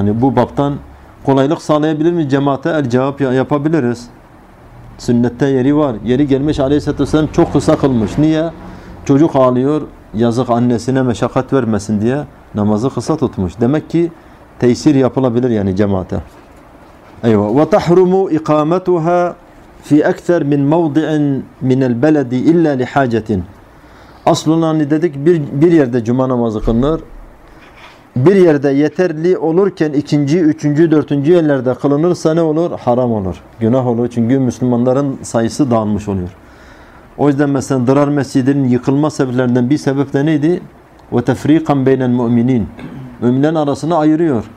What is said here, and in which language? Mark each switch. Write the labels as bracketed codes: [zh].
[tr] Hani bu baptan kolaylık sağlayabilir mi cemaate? El cevap yapabiliriz. Sünnette yeri var. Yeri gelmiş aleyhissalatü vesselam çok kısa kılmış. Niye? Çocuk ağlıyor. Yazık, annesine meşakkat vermesin diye namazı kısa tutmuş. Demek ki tesir yapılabilir yani cemaate. Eyvah. [ar] وَتَحْرُمُ اِقَامَتُهَا فِي اَكْثَرْ مِنْ مَوْضِعٍ مِنَ الْبَلَدِ اِلَّا لِحَاجَةٍ. [tr] Aslında hani dedik bir yerde cuma namazı kılınır. bir yerde yeterli olurken ikinci, üçüncü, dördüncü yerlerde kılınırsa ne olur? Haram olur. Günah olur. Çünkü Müslümanların sayısı dağılmış oluyor. O yüzden mesela Dırar Mescidi'nin yıkılma sebeplerinden bir sebep de neydi? [ar] وَتَفْرِيقًا بَيْنَ الْمُؤْمِنِينَ [tr] Müminlerin arasını ayırıyor.